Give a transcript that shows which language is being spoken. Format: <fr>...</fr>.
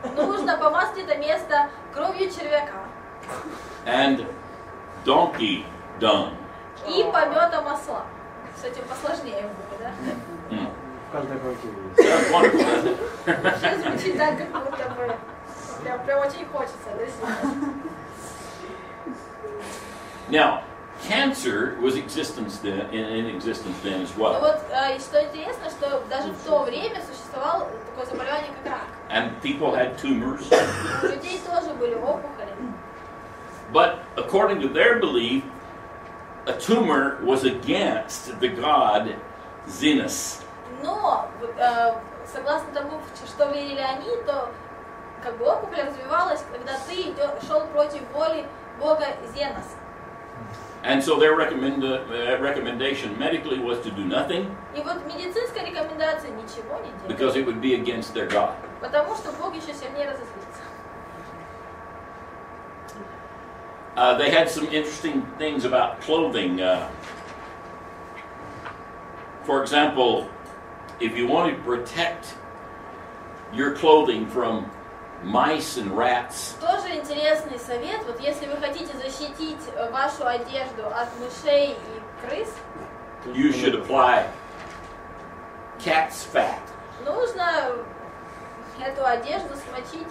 <ru>Нужно помазать это место кровью червяка.</ru> <en>And donkey dung.</en> <ru>И помета масла. С этим посложнее будет, да? Mm. Сейчас звучит так, как будто бы. Прям очень хочется, да?</ru> <en>Now, cancer was in existence then as well.</en> <ru>Вот что интересно, что даже в то время существовало такое заболевание, как рак.</ru> <en>And people had tumors.</en> <ru>У людей тоже были опухоли.</ru> <en>But according to their belief, a tumor was against the god Zenus.</en> <ru>Но согласно тому, что верили они, то как бы опухоль развивалась, когда ты шел против воли бога Зенос.</ru> <en>And so their recommendation medically was to do nothing.</en> <ru>И вот медицинская рекомендация ничего не делать.</ru> <en>Because it would be against their god.</en> <ru>Потому что бог еще сильнее разозлится.</ru> <en>They had some interesting things about clothing. For example, if you wanted to protect your clothing from mice and rats.</en> <ru>Тоже интересный совет. Вот если вы хотите защитить вашу одежду от мышей и крыс,</ru> <en>you should apply cat's fat.</en> <ru>Нужно эту одежду смочить</ru>